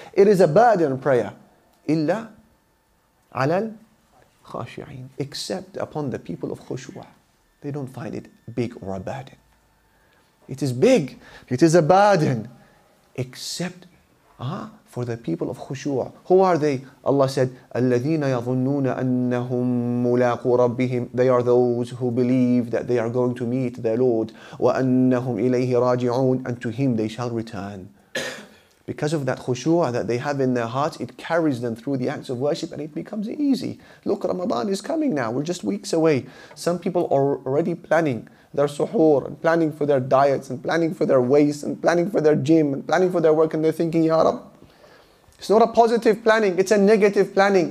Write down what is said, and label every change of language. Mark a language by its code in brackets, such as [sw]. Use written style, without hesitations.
[en] It is a burden prayer. Illa alal khashi'in. Except upon the people of khushu'. They don't find it big or a burden. It is big. It is a burden. Except for the people of khushu'. Who are they? Allah said, [ar] الَّذِينَ يَظُنُّونَ أَنَّهُمْ مُلَاقُوا رَبِّهِمْ. [en] They are those who believe that they are going to meet their Lord. [ar] وَأَنَّهُمْ إِلَيْهِ رَاجِعُونَ. [en] And to Him they shall return. Because of that khushu' that they have in their hearts, it carries them through the acts of worship and it becomes easy. Look, Ramadan is coming now. We're just weeks away. Some people are already planning their suhoor and planning for their diets and planning for their waist and planning for their gym and planning for their work, and they're thinking, Ya Rab, it's not a positive planning, it's a negative planning.